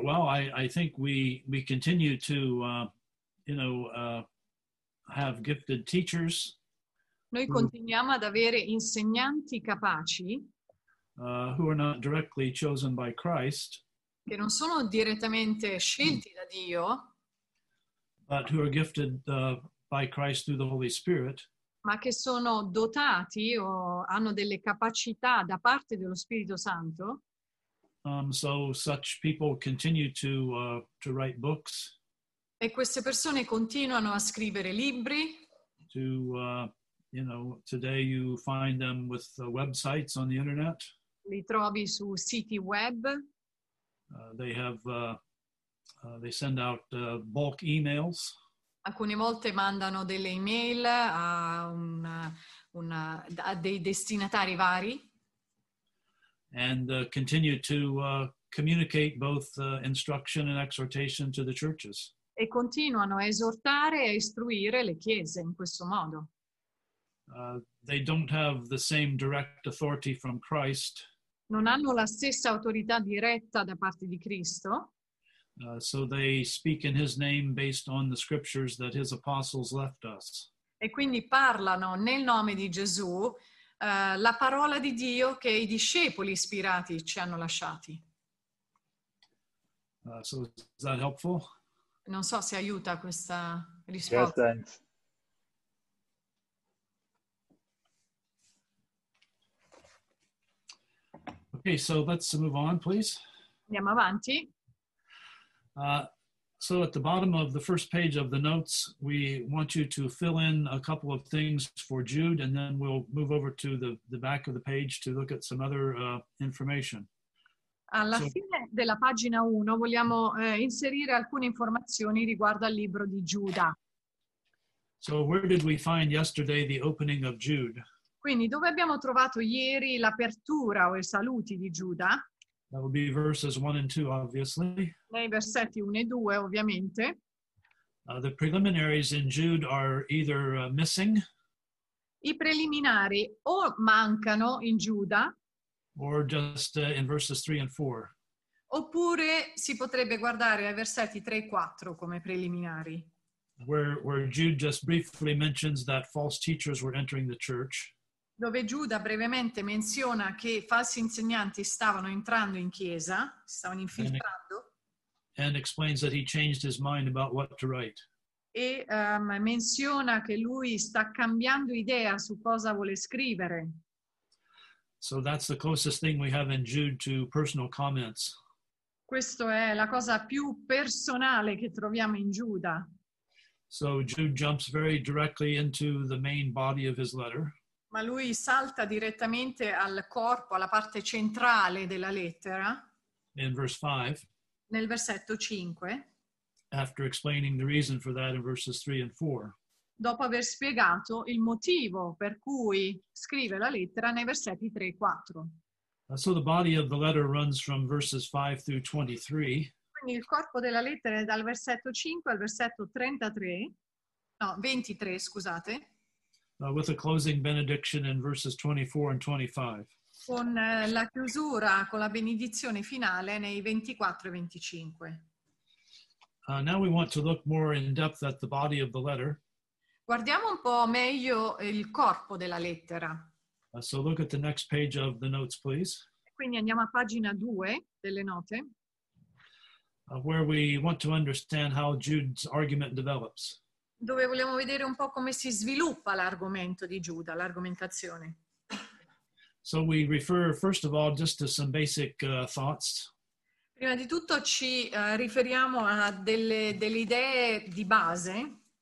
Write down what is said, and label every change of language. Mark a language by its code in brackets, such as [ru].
[en] Well, I think we continue to have gifted teachers. [it] Noi continuiamo ad avere insegnanti capaci. [en] Who are not directly chosen by Christ. [it] Che non sono direttamente scelti da Dio. [en] But who are gifted by Christ through the Holy Spirit. [it] Ma che sono dotati o hanno delle capacità da parte dello Spirito Santo. [en] So such people continue to write books. [it] E queste persone continuano a scrivere libri. [en] To you know, today you find them with websites on the internet. [it] Li trovi su siti web. [en] They have they send out bulk emails. [it] Alcune volte mandano delle email a a dei destinatari vari. [en] And continue to communicate both instruction and exhortation to the churches. [it] E continuano a esortare e a istruire le chiese in questo modo. [en] They don't have the same direct authority from Christ. [it] Non hanno la stessa autorità diretta da parte di Cristo. [en] So they speak in his name based on the scriptures that his apostles left us. [it] E quindi parlano nel nome di Gesù la parola di Dio che i discepoli ispirati ci hanno lasciati. [en] So is that helpful? [it] Non so se aiuta questa risposta. [en] Yes, thanks. Okay, so let's move on, please. [it] Andiamo avanti. [en] So at the bottom of the first page of the notes, we want you to fill in a couple of things for Jude, and then we'll move over to the back of the page to look at some other information. [it] Alla fine della pagina 1 vogliamo inserire alcune informazioni riguardo al libro di Giuda. [en] So where did we find yesterday the opening of Jude? [it] Quindi dove abbiamo trovato ieri l'apertura o i saluti di Giuda? [en] That would be verses 1 and 2, obviously. [it] Nei versetti 1 e 2, ovviamente. [en] The preliminaries in Jude are either missing. [it] I preliminari o mancano in Giuda. [en] Or just in verses 3 and 4. [it] Oppure si potrebbe guardare ai versetti 3 e 4 come preliminari. [en] Where Jude just briefly mentions that false teachers were entering the church. [it] Dove Giuda brevemente menziona che falsi insegnanti stavano entrando in chiesa, stavano infiltrando. [en] And explains that he changed his mind about what to write. [it] E menziona che lui sta cambiando idea su cosa vuole scrivere. [en] So that's the closest thing we have in Jude to personal comments. [it] Questo è la cosa più personale che troviamo in Giuda. [en] So Jude jumps very directly into the main body of his letter. [it] Ma lui salta direttamente al corpo, alla parte centrale della lettera. [en] In verse 5. [it] Nel versetto 5. [en] After explaining the reason for that in verses 3 and 4. [it] Dopo aver spiegato il motivo per cui scrive la lettera nei versetti 3 e 4. [en] So the body of the letter runs from verses 5 through 23. [it] Quindi il corpo della lettera è dal versetto 5 al versetto 33. No, 23, scusate. [en] With a closing benediction in verses 24 and 25. [it] Con la chiusura, con la benedizione finale nei 24 e 25. [en] Now we want to look more in depth at the body of the letter. [it] Guardiamo un po' meglio il corpo della lettera. [en] So look at the next page of the notes, please. [it] Quindi andiamo a pagina 2 delle note. [en] Where we want to understand how Jude's argument develops. [it] Dove vogliamo vedere un po' come si sviluppa l'argomento di Giuda, l'argomentazione. [en] So we refer first of all just to some basic thoughts. [it] Prima di tutto ci riferiamo a delle idee di base.